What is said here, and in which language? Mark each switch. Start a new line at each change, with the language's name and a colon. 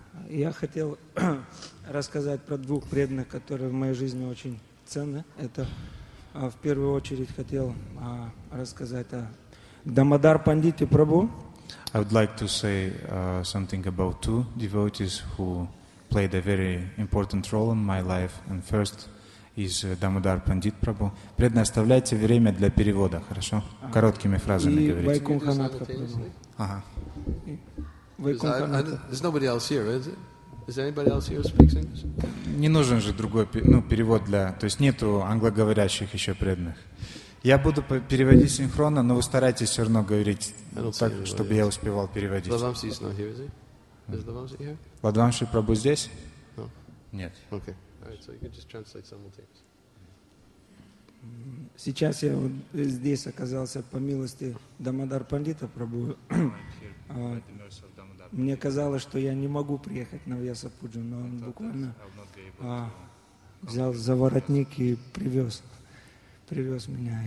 Russian: Я хотел рассказать про двух преданных, которые в моей жизни очень ценны. Это в первую очередь хотел рассказать о Дамодар Пандите Прабху.
English: I would like to say something about two devotees who played a very important role in my life. And first is Дамодар Пандит Прабху.
Russian: Преданные, оставляйте время для перевода, хорошо? Короткими фразами говорите. И Вайкунханатха Прабху.
English: There's nobody else here, is it? Is anybody else here speaks English?
Russian: Не нужен же другой перевод для, то есть нету англоговорящих еще преданных. Я буду переводить синхронно, но вы старайтесь все равно говорить так, чтобы я успевал переводить.
English: Ладвамси is not here, is he? Is Ладвамси here?
Russian: Ладвамси Прабху здесь?
English: No.
Russian: Нет.
English: Okay. All right. So you can just translate simultaneously.
Russian: Сейчас я здесь оказался по милости Дамодар Пандита Прабху. Мне казалось, что я не могу приехать на Вьясапуджу, но он буквально взял за воротник и привез меня.